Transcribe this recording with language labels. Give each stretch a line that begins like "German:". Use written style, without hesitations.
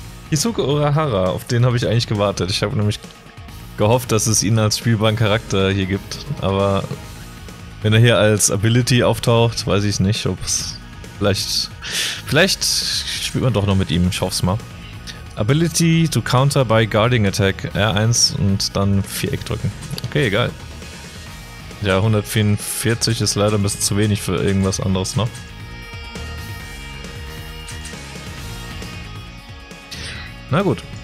German: Hisoka Urahara, auf den habe ich eigentlich gewartet. Ich habe nämlich gehofft, dass es ihn als spielbaren Charakter hier gibt. Aber wenn er hier als Ability auftaucht, weiß ich nicht, ob es vielleicht. Vielleicht spielt man doch noch mit ihm. Ich hoffe es mal.
English: Ability to counter by guarding attack.
German: R1 und dann Viereck drücken. Okay, egal. Ja, 144 ist leider ein bisschen zu wenig für irgendwas anderes noch. Na gut.